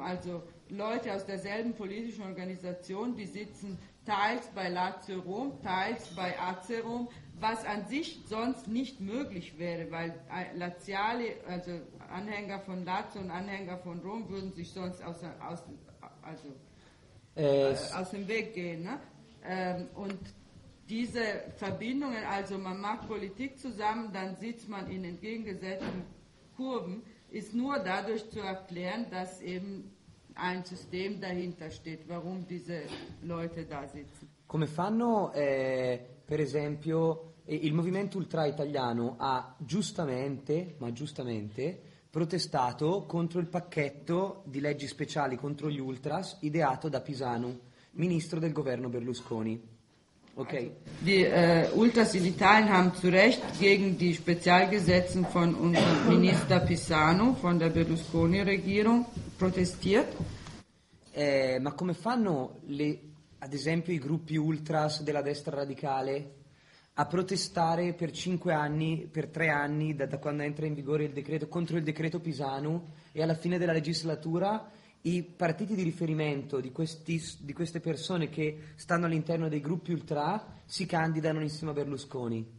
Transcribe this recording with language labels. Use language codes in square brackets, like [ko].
[de] Also Leute aus derselben politischen Organisation, die sitzen teils bei Lazio Rom, teils bei AC Rom, was an sich sonst nicht möglich wäre, weil Laziali, also Anhänger von Lazio und Anhänger von Rom, würden sich sonst aus dem Weg gehen. Ne? Und diese Verbindungen, also man macht Politik zusammen, dann sitzt man in entgegengesetzten Kurven, ist nur dadurch zu erklären, dass eben ein System dahinter steht, warum diese Leute da sitzen. [it] Come fanno, per esempio, il movimento ultra italiano ha giustamente protestato contro il pacchetto di leggi speciali contro gli ultras ideato da Pisanu, ministro del governo Berlusconi. Okay. [de] Die Ultras in Italien haben zu Recht gegen die Spezialgesetze von unserem Minister Pisanu von der Berlusconi-Regierung protestiert. [it] Ma come fanno ad esempio i gruppi ultras della destra radicale a protestare per 5 anni, per 3 anni da quando entra in vigore il decreto contro il decreto Pisanu e alla fine della legislatura i partiti di riferimento di queste persone che stanno all'interno dei gruppi ultra si candidano insieme a Berlusconi.